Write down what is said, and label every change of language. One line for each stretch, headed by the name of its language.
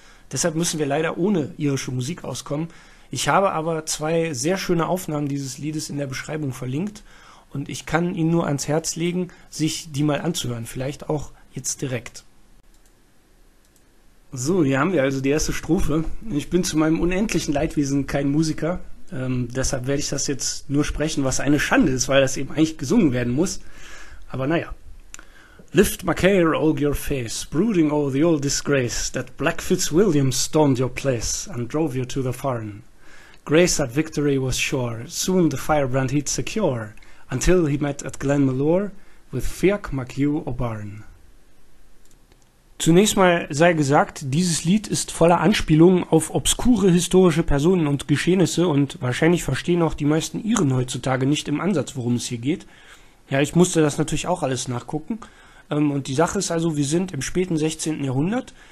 German: Deshalb müssen wir leider ohne irische Musik auskommen. Ich habe aber zwei sehr schöne Aufnahmen dieses Liedes in der Beschreibung verlinkt und ich kann Ihnen nur ans Herz legen, sich die mal anzuhören, vielleicht auch jetzt direkt. So, hier haben wir also die erste Strophe. Ich bin zu meinem unendlichen Leidwesen kein Musiker. Deshalb werde ich das jetzt nur sprechen, was eine Schande ist, weil das eben eigentlich gesungen werden muss. Aber naja.
English: Lift Macaire o'er your face, brooding o'er the old disgrace, that Black Fitzwilliam stormed your place and drove you to the foreign. Grace at victory was sure, soon the firebrand he'd secure, until he met at Glenmalure with Fiach MacHugh O'Byrne.
German: Zunächst mal sei gesagt, dieses Lied ist voller Anspielungen auf obskure historische Personen und Geschehnisse und wahrscheinlich verstehen auch die meisten Iren heutzutage nicht im Ansatz, worum es hier geht. Ja, ich musste das natürlich auch alles nachgucken. Und die Sache ist also, wir sind im späten 16. Jahrhundert.